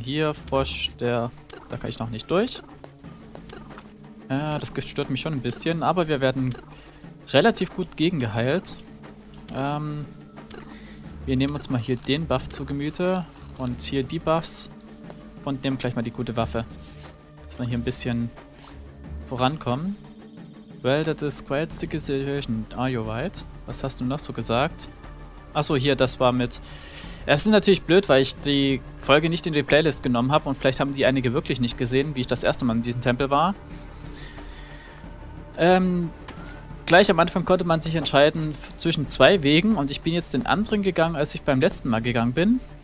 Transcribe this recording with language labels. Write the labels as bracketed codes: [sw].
[de] Hier, Frosch, da kann ich noch nicht durch. Das Gift stört mich schon ein bisschen, aber wir werden relativ gut gegengeheilt. Wir nehmen uns mal hier den Buff zu Gemüte und hier die Buffs und nehmen gleich mal die gute Waffe, dass wir hier ein bisschen vorankommen. [en] Well, that is quite the situation. Are you right? [de] Was hast du noch so gesagt? Achso, hier, das war mit... Es ist natürlich blöd, weil ich die Folge nicht in die Playlist genommen habe und vielleicht haben die einige wirklich nicht gesehen, wie ich das erste Mal in diesem Tempel war. Gleich am Anfang konnte man sich entscheiden zwischen zwei Wegen und ich bin jetzt den anderen gegangen, als ich beim letzten Mal gegangen bin.